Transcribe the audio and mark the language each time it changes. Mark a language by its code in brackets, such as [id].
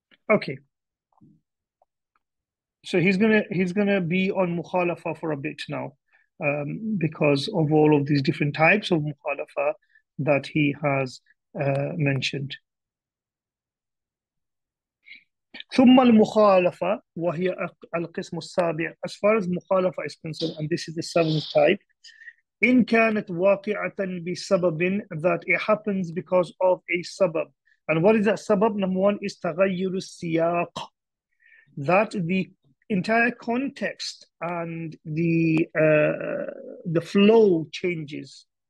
[en] Okay. So he's gonna be on mukhalafa for a bit now, because of all of these different types of mukhalafa that he has mentioned. [ar] ثم المخالفة وهي القسم السابع. [en] As far as مخالفة is concerned, and this is the seventh type, [ar] إن كانت واقعة بسبب, [en] that it happens because of a سبب. And what is that سبب? Number one is تغير السياق, that the entire context and the flow changes.